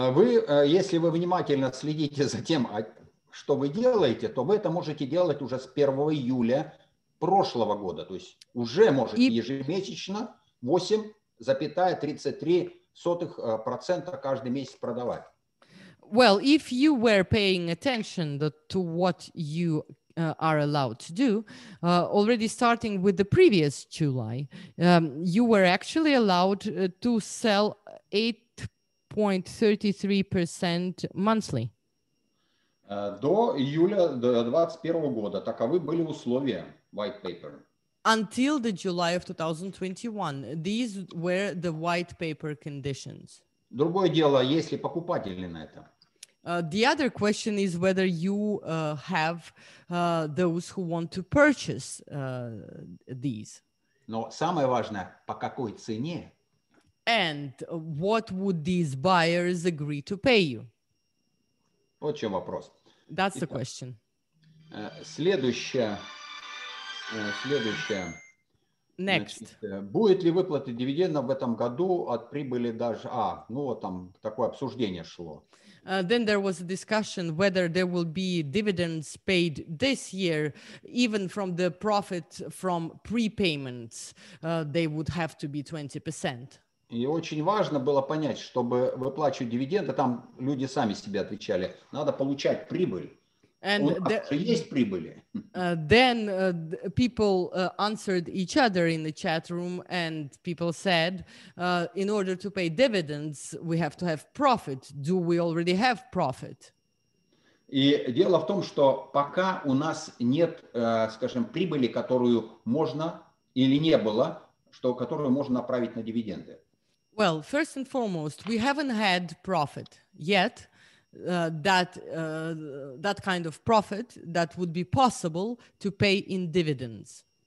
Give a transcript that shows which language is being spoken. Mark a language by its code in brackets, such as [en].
[ru] Вы, если вы внимательно следите за тем, что вы делаете, то вы это можете делать уже с 1 июля прошлого года. То есть уже можете ежемесячно 8,33% каждый месяц продавать. [en] Well, if you were paying attention to what you are allowed to do, already starting with the previous July, you were actually allowed to sell 8.33% monthly. [ru] До июля 2021 года таковы были условия white paper. [en] Until the July of 2021, these were the white paper conditions. [ru] Другое дело, есть ли покупатели на это? [en] The other question is whether you have those who want to purchase these. [ru] Но самое важное, по какой цене? [en] And what would these buyers agree to pay you? [ru] Вот в чем вопрос. [en] That's the question. [ru] Следующее. [en] Next. [ru] Значит, будет ли выплата дивидендов в этом году от прибыли даже... ну вот там такое обсуждение шло. [en] Then there was a discussion whether there will be dividends paid this year, even from the profit from prepayments, they would have to be 20%. [ru] И очень важно было понять, чтобы выплачивать дивиденды, там люди сами себе отвечали, надо получать прибыль. [en] And [ru] есть прибыли. [en] Then people answered each other in the chat room, and people said, in order to pay dividends, we have to have profit. Do we already have profit? [ru] И дело в том, что пока у нас нет, скажем, прибыли, которую можно или не было, что которую можно направить на дивиденды. [en] Well, first and foremost, we haven't had profit yet. That kind of profit that would be possible to pay in dividends.